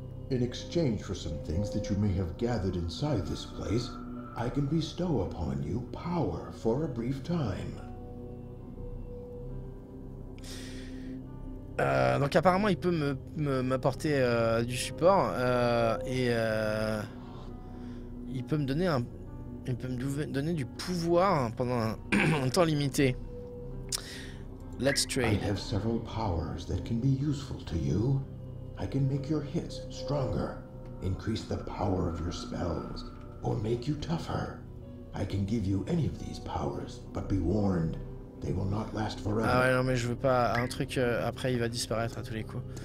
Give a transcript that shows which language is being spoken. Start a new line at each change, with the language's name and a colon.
English: In exchange for some things that you may have gathered inside this place, I can bestow upon you power for a brief time.
French: Donc apparemment il peut m'apporter du support et il peut me donner donner du pouvoir pendant un temps limité.
English: Let's trade. I have several powers that can be useful to you. I can make your hits stronger, increase the power of your spells, or make you tougher. I can give you any of these powers, but be warned, they will not last forever.
French: Ah ouais, non mais je veux pas un truc après il va disparaître à tous les coups.